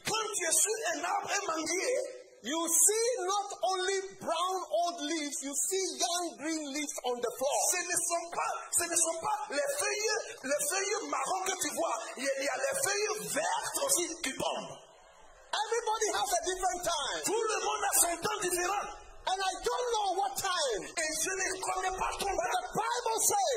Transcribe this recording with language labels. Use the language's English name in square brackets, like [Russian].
[French] quand tu es sur un arbre, un manguier, [English] you see not only brown old leaves, you see young green leaves on the floor. [French] Ce ne sont pas les feuilles marron que tu vois. Il y a les feuilles vertes aussi qui tombent. [English] Everybody has a different time. [French] Tout le monde a son temps différent. [English] And I don't know what time. [French] Et je ne connais pas ton [English] temps. But the Bible says.